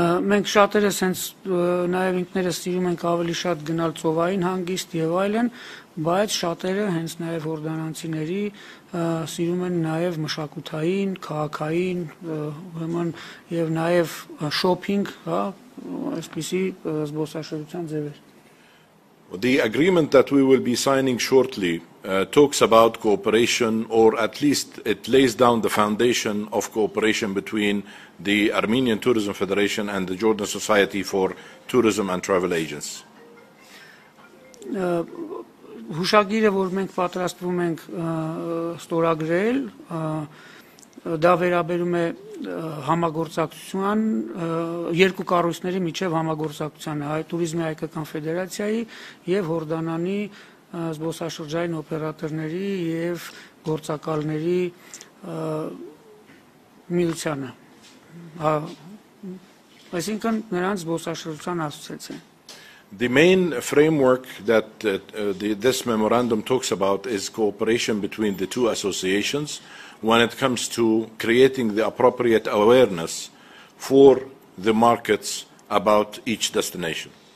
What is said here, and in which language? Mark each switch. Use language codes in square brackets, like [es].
[hy] Մենք շատերս հենց նաև ինքներս սիրում ենք ավելի շատ գնալ ծովային հանգիստ եւ այլն, բայց շատերը հենց նաև հորդանանցիների սիրում են նաև մշակութային, քաղաքային, ուրեմն եւ նաև շոփինգ, հա, այսպիսի զբոսաշրջության ձևեր։ [en] The agreement that we will be signing shortly talks about cooperation, or at least it lays down the foundation of cooperation between the Armenian Tourism Federation and the Jordan Society for Tourism and Travel Agents. [hy] Հուշագիրը, որ մենք պատրաստվում ենք ստորագրել, դա վերաբերում է համագործակցության, երկու կառույցների միջև համագործակցությանը, այ տուրիզմի հայկական ֆեդերացիայի և Հորդանանի զբոսաշրջային օպերատորների և գործակալների միությանը, այսինքն նրանց զբոսաշրջության ասոցիացիան։ [en] The main framework that this memorandum talks about is cooperation between the two associations when it comes to creating the appropriate awareness for the markets about each destination.